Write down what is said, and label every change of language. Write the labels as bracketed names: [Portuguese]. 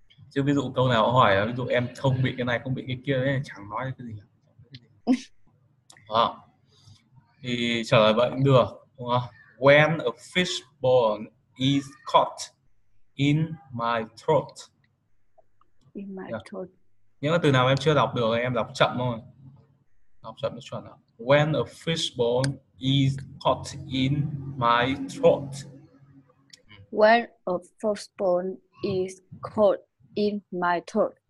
[Vietnamese] Chứ ví dụ câu nào hỏi, ví dụ em không bị cái này, không bị cái kia ấy, chẳng nói cái gì. Đúng không? Thì trả lời vậy cũng được, đúng không? [English] When a fish bone is caught in my throat. In my throat. [Vietnamese] Những từ nào em chưa đọc được, em đọc chậm thôi. Đọc chậm cho chuẩn ạ. [English] When a fish bone is caught in my throat. When a frostbone is caught in my throat.